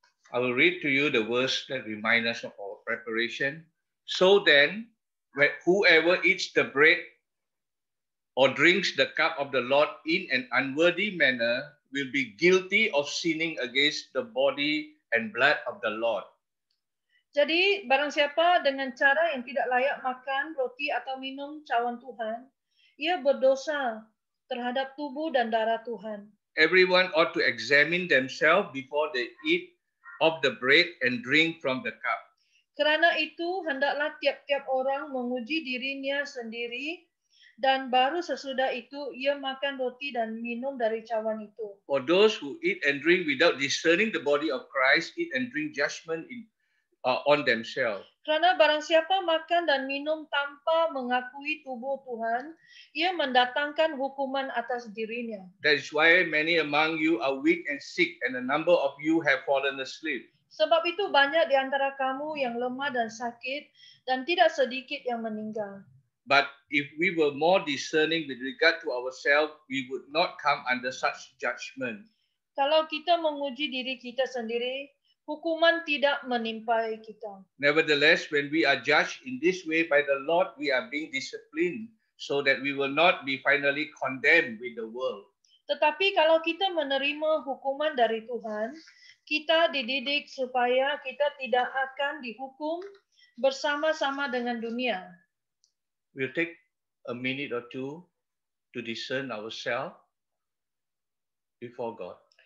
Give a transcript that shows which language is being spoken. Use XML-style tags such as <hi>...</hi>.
<en>I will read to you the verse that reminds us of our preparation. So then, whoever eats the bread or drinks the cup of the Lord in an unworthy manner will be guilty of sinning against the body and blood of the Lord.</en> <id>Jadi barang siapa dengan cara yang tidak layak makan roti atau minum cawan Tuhan, ia berdosa terhadap tubuh dan darah Tuhan.</id> <en>Everyone ought to examine themselves before they eat of the bread and drink from the cup.</en> <id>Karena itu hendaklah tiap-tiap orang menguji dirinya sendiri dan baru sesudah itu ia makan roti dan minum dari cawan itu.</id> <en>For those who eat and drink without discerning the body of Christ eat and drink judgment on themselves.</en> <id>Karena barang siapa makan dan minum tanpa mengakui tubuh Tuhan, ia mendatangkan hukuman atas dirinya.</id> <en>That is why many among you are weak and sick and a number of you have fallen asleep.</en> <id>Sebab itu banyak di antara kamu yang lemah dan sakit dan tidak sedikit yang meninggal.</id> <en>But if we were more discerning with regard to ourselves, we would not come under such judgment.</en> <id>Kalau kita menguji diri kita sendiri, hukuman tidak menimpa kita.</id> <en>Nevertheless, when we are judged in this way by the Lord, we are being disciplined so that we will not be finally condemned with the world.</en> <id>Tetapi kalau kita menerima hukuman dari Tuhan, kita dididik supaya kita tidak akan dihukum bersama-sama dengan dunia.</id> <en>We'll take a minute or two to discern ourselves before God.</en>